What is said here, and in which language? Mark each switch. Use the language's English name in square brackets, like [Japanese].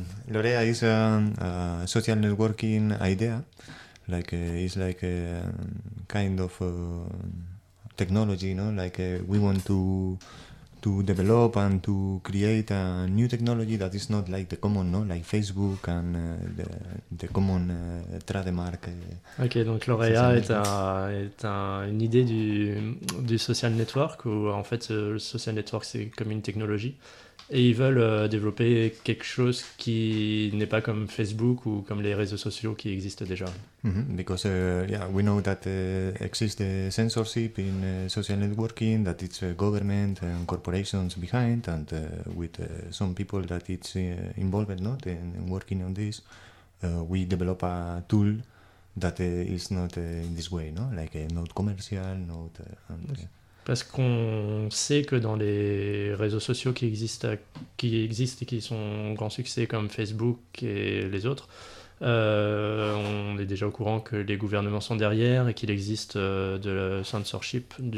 [English] Lauréat is a social networking idea, like it's like a kind of technology, no? Like we want to develop and to create a new technology that is not like the common, no? Like Facebook and the common trademark. [French] Ok, donc Lauréat est une idée du social network, où en fait le social network c'est comme une technologie, et ils veulent développer quelque chose qui n'est pas comme Facebook ou comme les réseaux sociaux qui existent déjà. [English] Because yeah, we know that exists censorship in social networking, that it's government and corporations behind, and with some people that it's involved, not in working on this, we develop a tool that is not in this way, no, like not commercial, not. [French] Parce qu'on sait que dans les réseaux sociaux qui existent et qui sont grand succès comme Facebook et les autres. On est déjà au courant que les gouvernements sont derrière et qu'il existe de la censorship,